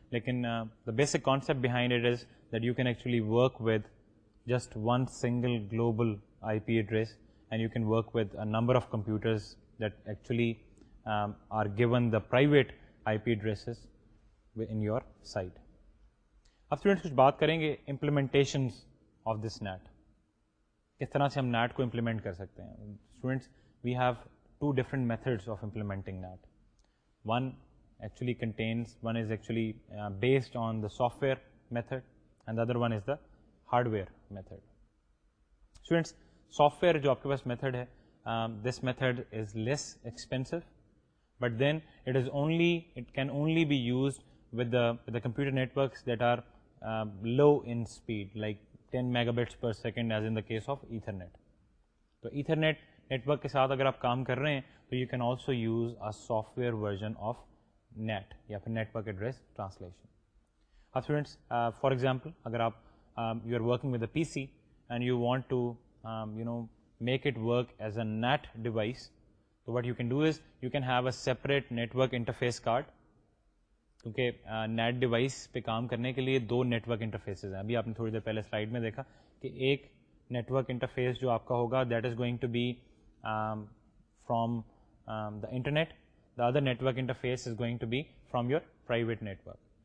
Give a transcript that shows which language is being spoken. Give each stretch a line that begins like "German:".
English: Lekin the basic concept behind it is that you can actually work with just one single global IP address, and you can work with a number of computers that actually are given the private IP addresses in your site.
Urdu: اب students کچھ بات کریں گے
English: implementations of this net,
Urdu: کس طرح سے ہم net کو امپلیمنٹ کر سکتے ہیں.
English: Students, we have two different methods of implementing net. One actually contains, one is actually based on the software method and other one is the hardware method. Students, software
Urdu: جو آپ کے پاس
English: Method ہے, this method is less expensive, but then it is only it can only be used with the computer networks that are low in speed, like 10 megabits per second as in the case of Ethernet. So Ethernet network
Urdu: ke saath agar aap kaam kar rahe hain,
English: so you can also use a software version of NAT, ya phir network address translation. Our students, for example, agar aap you are working with a PC and you want to make it work as a NAT device, so what you can do is you can have a separate network interface card.
Urdu: کیونکہ NAT device پہ کام کرنے کے لیے دو net work interfaces ہیں. ابھی آپ نے تھوڑی دیر پہلے سلائیڈ میں دیکھا کہ ایک نیٹ ورک انٹرفیس جو آپ کا ہوگا,
English: That is going to be from the internet, the other network interface is going to be from your private network.